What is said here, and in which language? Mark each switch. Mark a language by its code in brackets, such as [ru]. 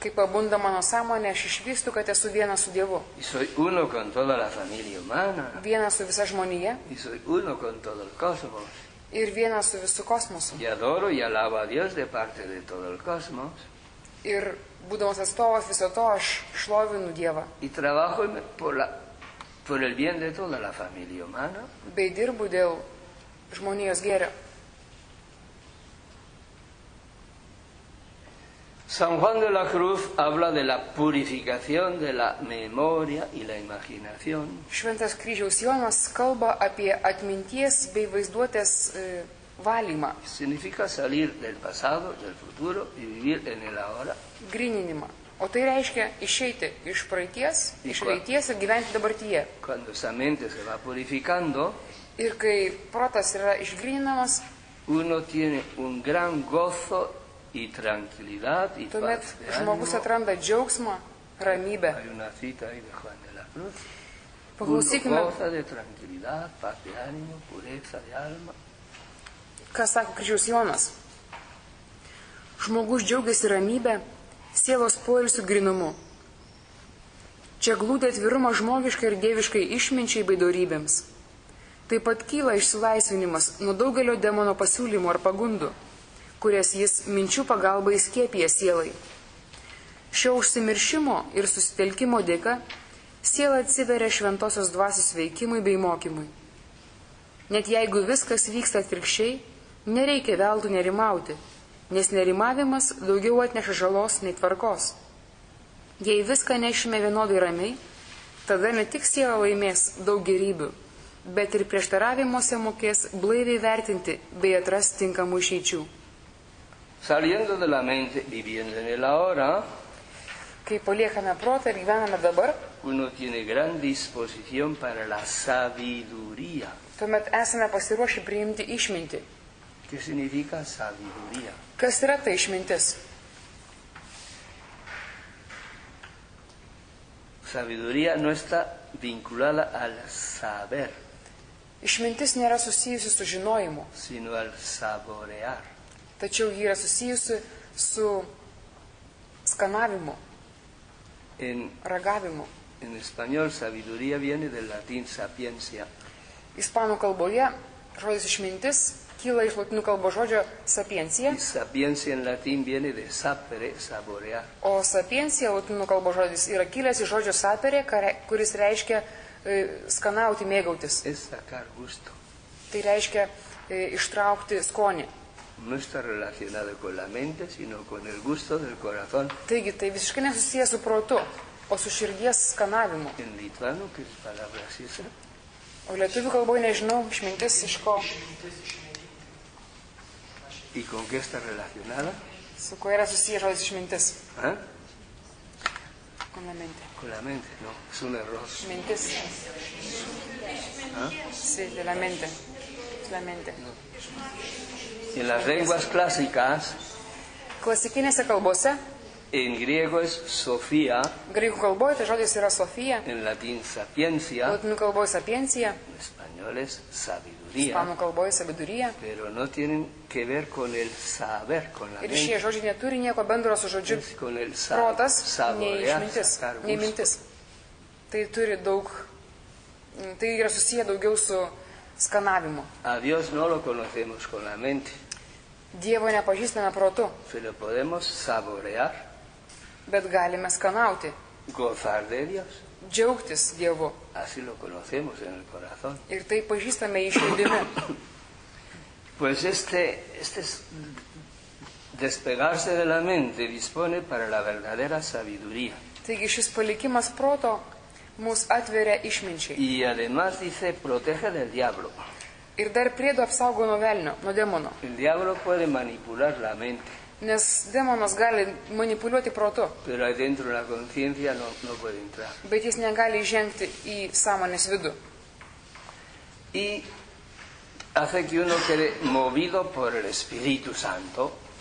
[lt] Kai pabunda mano sąmonė, aš išvystu, kad esu vienas su Dievu. [es] Y soy uno con toda la familia humana. [lt] Vienas su visa žmonija. [es] Y soy uno con todo el cosmos. [lt] Ir vienas su visu kosmosu. [es] Y adoro y alabo a Dios de parte de todo el cosmos. [lt] Ir būdamas atstovas viso to, aš šlovinu Dievą. [es] Y trabajo por el bien de toda la familia humana. [lt] Bei dirbu dėl žmonijos gėrio. [es] San Juan de la Cruz habla de la purificación de la memoria y la imaginación. [lt] Šventas kryžiaus Jonas kalba apie atminties bei vaizduotės valymą. [es] Significa salir del pasado, del futuro y vivir en el ahora. [lt] Grininimą. O tai reiškia išeiti iš praeities, iš ateities ir gyventi dabartyje. [es] Cuando esa mente se va purificando, [lt] ir kai protas yra išgrininamas, [es] uno tiene un gran gozo y tranquilidad y [lt] tuomet [es] paz. [lt] Tuomet žmogus atranda džiaugsmą, ramybę. [es] Hay una cita de Juan de la Cruz. [lt] Paklausykime. [es] Uno goza de tranquilidad, paz de ánimo, pureza de alma. [lt] Ką sako kryžiaus Jonas? Žmogus džiaugiasi ramybę, sielos poilsiu grinumu. Čia glūdi atvirumą žmogiškai ir dieviškai išminčiai bei dorybėms. Taip pat kyla išsilaisvinimas nuo daugelio demono pasiūlymų ar pagundų, kurias jis minčių pagalba įskėpė sielai. Šio užsimiršimo ir susitelkimo dėka siela atsiveria šventosios dvasios veikimui bei mokymui. Net jeigu viskas vyksta atvirkščiai, nereikia veltui nerimauti, nes nerimavimas daugiau atneša žalos nei tvarkos. Jei viską nešime vienodai ramiai, tada ne tik siela laimės daug gėrybių, bet ir prieštaravimuose mokės blaiviai vertinti bei atrasti tinkamų išeičių. [es] Saliendo de la mente, viviendo en el ahora, [lt] kai paliekame protą ir gyvename dabar, [es] uno tiene gran disposición para la sabiduría. [lt] Tuomet esame pasiruošę priimti išmintį. [es] ¿Qué significa sabiduría? [lt] Kas yra ta išmintis? [es] Sabiduría no está vinculada al saber. [lt] Išmintis nėra susijusi su žinojimu, [es] sino al saborear. [lt] Tačiau ji yra susijusi su skanavimu, ragavimu. [es] En español, sabiduría viene del latín sapiencia. [lt] Ispanų kalboje žodis išmintis kyla iš latinų kalbos žodžio sapiencia. [es] Y sapiencia en latín viene de sapere, saborear. [lt] O sapiencia, latinų kalbos žodis, yra kilęs iš žodžio sapere, kuris reiškia skanauti, mėgautis. [es] Es sacar gusto. [lt] Tai reiškia ištraukti skonį. [es] No está relacionado con la mente, sino con el gusto del corazón. [lt] Taigi, tai visiškai nesusiję su protu, o su širdies skanavimu. [es] En lituano, ¿qué es palabra esa? [lt] O lietuvių kalboje nežinau, išmintis iš ko. [es] ¿Y con qué está relacionada? [lt] Su kuo yra susiję žodis išmintis. ¿Eh? [es] Con la mente. Con la mente, no, es un error. Mentes. ¿Ah? Sí, de la mente. De la mente. No. En las lenguas clásicas, [lt] klasikinėse kalbose, [es] en griego es sofía, [lt] griego kalboje tai žodis yra sofía, [es] en latín sapiencia, [lt] latinų kalboje sapiencia, [es] en español es sabiduría, [lt] ispanų kalboje sabiduría, [es] pero no tienen que ver con el saber, con la [lt] ir mente. Ir šie žodžiai neturi nieko bendro su žodžiu, [es] con el [lt] protas, nei mintis. Tai turi daug, tai yra susiję daugiau su skanavimu. [es] A Dios no lo conocemos con la mente. [lt] Dievo nepažįstame protu. [es] Pero podemos saborear. [lt] Bet galime skanauti. [es] Gozar de Dios. [lt] Džiaugtis Dievu. [es] Así lo conocemos en el corazón. [lt] Ir tai pažįstame iš širdimi. [es] Pues este es despegarse de la mente dispone para la verdadera sabiduría. [lt] Taigi šis palikimas proto mus atveria išminčiai. [es] Y además dice, protege del diablo. [lt] Ir dar priedo apsaugo nuo velnio, nuo demono. [es] El diablo puede manipular la mente. [lt] Nes demonas gali manipuliuoti protu. [es] Pero dentro de la conciencia no puede entrar. [lt] Bet jis negali įžengti į sąmonės vidų. [es] Y hace que uno quede movido por el Espíritu Santo.